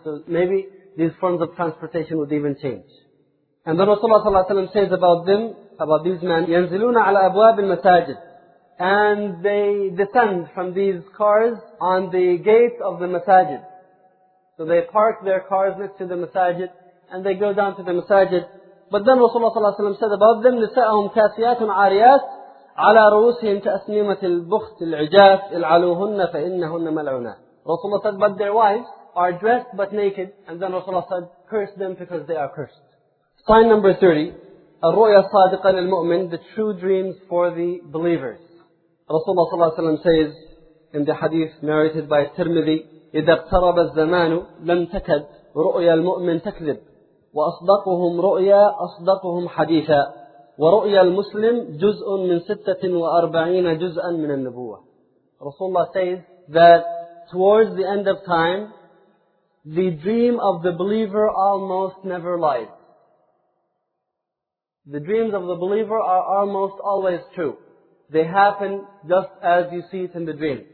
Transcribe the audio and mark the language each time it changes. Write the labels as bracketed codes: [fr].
[en] So maybe these forms of transportation would even change. And then Rasulullah [ar] صلى الله عليه وسلم [en] says about them, about these men, [ar] يَنزِلُونَ عَلَى أَبْوَابِ الْمَسَاجِدِ. [en] And they descend from these cars on the gates of the masajid. So they park their cars next to the masajid, and they go down to the masajid. But then Rasulullah [ar] صلى الله عليه وسلم [en] said about them, [ar] نِسَاءَهُمْ كَاسِيَاتٌ عَارِيَاتٌ عَلَى رُؤُسِهِمْ كَأَسْنِيمَةِ الْبُخْتِ الْعِجَافِ الْعَلُوهُنَّ فَإِنَّهُنَّ مَلْعُونَةٌ. [en] Rasulullah said, but their wives are dressed but naked. And then Rasulullah said, curse them because they are cursed. Sign number 30, [ar] الرؤيا الصادقة للمؤمن, [en] the true dreams for the believers. Rasulullah [ar] صلى الله عليه وسلم [en] says in the hadith narrated by Tirmidhi, [ar] إذا اقترب الزمان لم تكد رؤيا المؤمن تكذب وأصدقهم رؤيا أصدقهم حديثا ورؤيا المسلم جزء من 46 جزءا من النبوة. [en] Rasulullah says that towards the end of time, the dream of the believer almost never lies. The dreams of the believer are almost always true. They happen just as you see it in the dream.